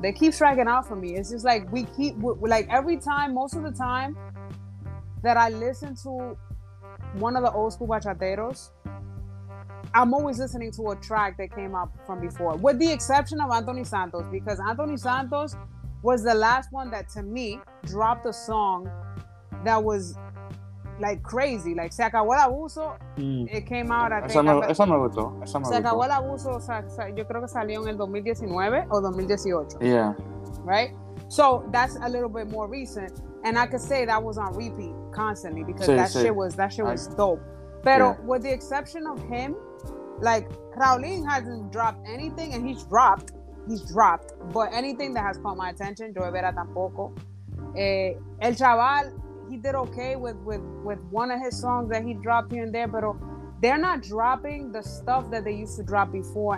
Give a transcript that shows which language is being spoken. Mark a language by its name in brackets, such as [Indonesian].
[English] They keep striking out for me. It's just like most of the time that I listen to one of the old school bachateros, I'm always listening to a track that came up from before, with the exception of Anthony Santos, because Anthony Santos was the last one that, to me, dropped a song that was like crazy, like Se Acabó el Abuso. It came out, I think. [Spanish] Esa me gustó. Se Acabó el Abuso, yo creo que salió en el 2019 o 2018. [English] Yeah. Right? So that's a little bit more recent. And I could say that was on repeat constantly because that shit was dope. Pero yeah. With the exception of him, like Raulin hasn't dropped anything, and he's dropped. But anything that has caught my attention, Joe Vera tampoco. El Chaval, he did okay with one of his songs that he dropped here and there, but they're not dropping the stuff that they used to drop before.